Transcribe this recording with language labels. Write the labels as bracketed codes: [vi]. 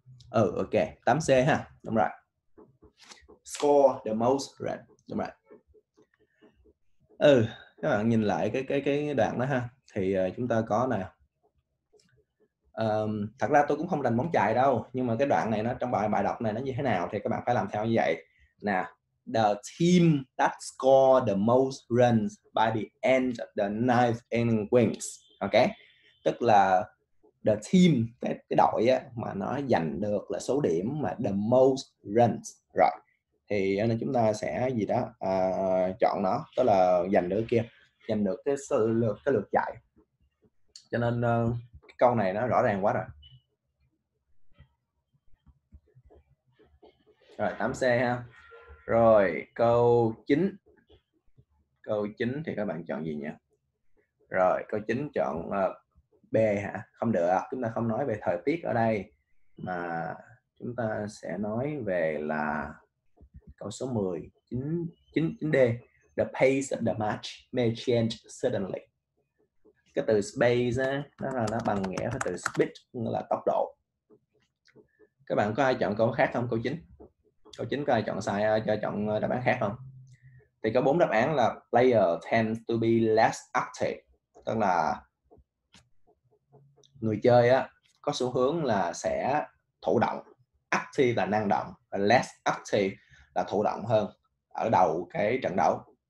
[en] Ok, 8C [vi] ha. Đúng rồi. [en] Score the most red. [vi] Ừ, các bạn nhìn lại cái đoạn đó ha. Thì chúng ta có nè. Thật ra tôi cũng không rành bóng chày đâu, nhưng mà cái đoạn này nó trong bài bài đọc này nó như thế nào thì các bạn phải làm theo như vậy. Nè, [en] the team that score the most runs by the end of the ninth inning wins. Ok. [vi] Tức là the team, cái đội á, mà nó giành được là số điểm mà [en] the most runs. [vi] Rồi. Thì nên chúng ta sẽ gì đó chọn nó, tức là giành được kia, giành được cái sự lượt, cái lượt chạy. Cho nên cái câu này nó rõ ràng quá rồi. Rồi 8C ha. Rồi câu 9. Câu 9 thì các bạn chọn gì nhỉ? Rồi câu 9 chọn B hả? Không được, chúng ta không nói về thời tiết ở đây, mà chúng ta sẽ nói về là câu số 10, 9, 9, 9D. [en] The pace of the match may change suddenly. [vi] Cái từ space á, nó bằng nghĩa với từ speed, nghĩa là tốc độ. Các bạn có ai chọn câu khác không? Câu 9. Câu 9 có ai chọn sai, cho chọn đáp án khác không? Thì có 4 đáp án là [en] player tends to be less active, [vi] tức là người chơi á có xu hướng là sẽ thụ động, active là năng động, và less active là thụ động hơn ở đầu cái trận đấu.